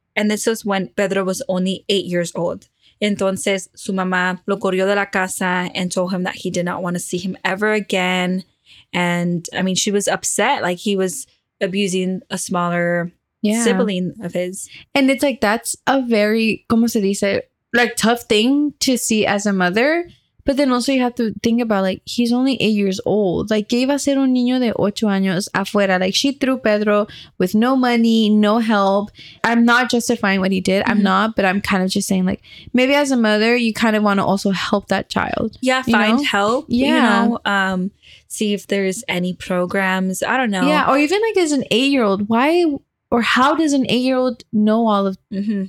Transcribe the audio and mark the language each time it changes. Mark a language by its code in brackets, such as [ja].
[en] And this was when Pedro was only 8 years old. [es] Entonces, su mamá lo corrió de la casa [en] and told him that he did not want to see him ever again. And, I mean, she was upset. Like, he was abusing a smaller yeah. sibling of his. And it's like, that's a very, [es] como se dice, [en] like, tough thing to see as a mother. But then also you have to think about, like, he's only 8 years old. [es] Like, que iba a ser un niño de 8 años afuera? [en] Like, she threw Pedro with no money, no help. I'm not justifying what he did. Mm-hmm. I'm not. But I'm kind of just saying, like, maybe as a mother, you kind of want to also help that child. Yeah, find know? Help. Yeah. You know, see if there's any programs. I don't know. Yeah, or even, like, as an 8 year old, why... Or how does an 8 year old know all of, mm-hmm.